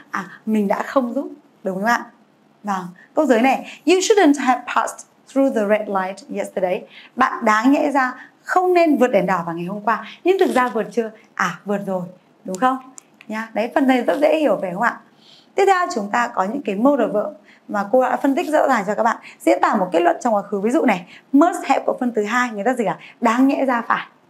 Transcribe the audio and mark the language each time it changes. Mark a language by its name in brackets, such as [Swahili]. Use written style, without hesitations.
[Vietnamese] À, mình đã không giúp, đúng không ạ? Vâng, câu dưới này, [English] you shouldn't have passed through the red light yesterday. [Vietnamese] Bạn đáng nhẽ ra không nên vượt đèn đỏ vào ngày hôm qua, nhưng thực ra vượt chưa? À, vượt rồi, đúng không? Nha, đấy phần này rất dễ hiểu phải không ạ? Tiếp theo chúng ta có những cái modal verb mà cô đã phân tích rõ ràng cho các bạn, diễn tả một kết luận trong quá khứ. Ví dụ này, must have cộng phân từ hai, người ta dịch là đáng nhẽ ra phải.